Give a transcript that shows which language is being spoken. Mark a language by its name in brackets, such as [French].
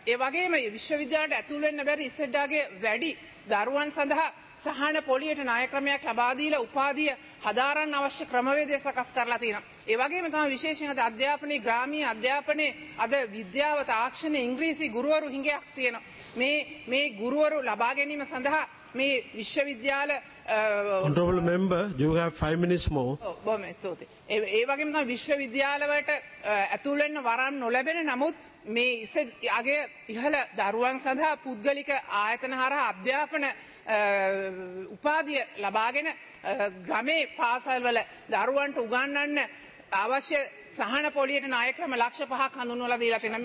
[Sinhala] ඒ වගේම විශ්වවිද්‍යාලයට ඇතුළු වෙන්න බැරි ඉස්සෙඩාගේ වැඩි දරුවන් සඳහා සහන පොලියට ණයක්‍රමයක් ලබා දීලා උපාධිය හදාරන්න අවශ්‍ය ක්‍රමවේදය සකස් කරලා තියෙනවා. ඒ වගේම තමයි විශේෂයෙන් අද අධ්‍යාපනයේ ග්‍රාමීය අධ්‍යාපනයේ අද විද්‍යාව තාක්ෂණ ඉංග්‍රීසි ගුරුවරු හිඟයක් තියෙනවා. මේ ගුරුවරු ලබා ගැනීම සඳහා මේ විශ්වවිද්‍යාල [English] honorable member you have 5 minutes more. [Sinhala] ඔව් මම ස්තුතියි. ඒ වගේම තමයි විශ්වවිද්‍යාලවලට ඇතුළු වෙන්න වරන් නොලැබෙන නමුත් මේ ඉස්සෙල්ලාගේ ඉහළ දරුවන් සඳහා පුද්ගලික ආයතන හරහා අධ්‍යාපන උපාධිය ලබාගෙන ග්‍රමේ පාසල්වල දරුවන්ට උගන්වන්න අවශ්‍ය සහන පොලියට ණයක්‍රම 105ක් හඳුන්වලා දීලා තියෙනවා.